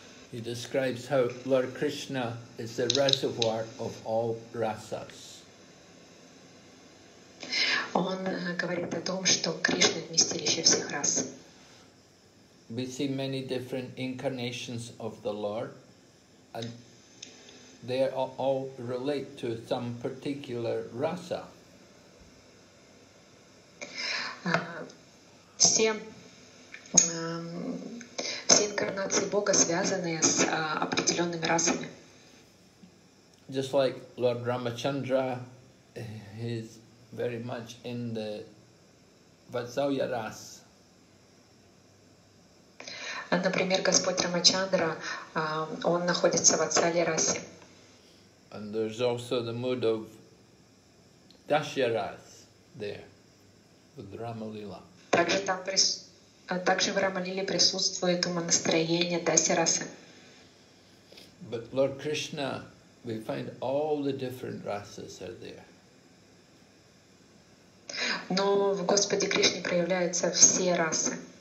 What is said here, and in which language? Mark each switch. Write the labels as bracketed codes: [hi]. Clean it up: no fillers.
[en] He describes how Lord Krishna is the reservoir of all rasas. [ru] Он говорит о том, что Кришна — вместилище всех рас. [en] We see many different incarnations of the Lord, and they all relate to some particular rasa. [ru] Все инкарнации Бога связаны с определенными расами. [en] Just like Lord Ramachandra, his very much in the Vatsalya ras. [ru] Например, Господь Рамачандра, он находится в Ватсалья расе. [en] And there's also the mood of Dasya ras there with Ramalila. [ru] Также там также в Рамалиле присутствует умонастроение Дасья расы. [en] But Lord Krishna, we find all the different rasas are there. [ru] Но в Господе Кришне проявляются все расы.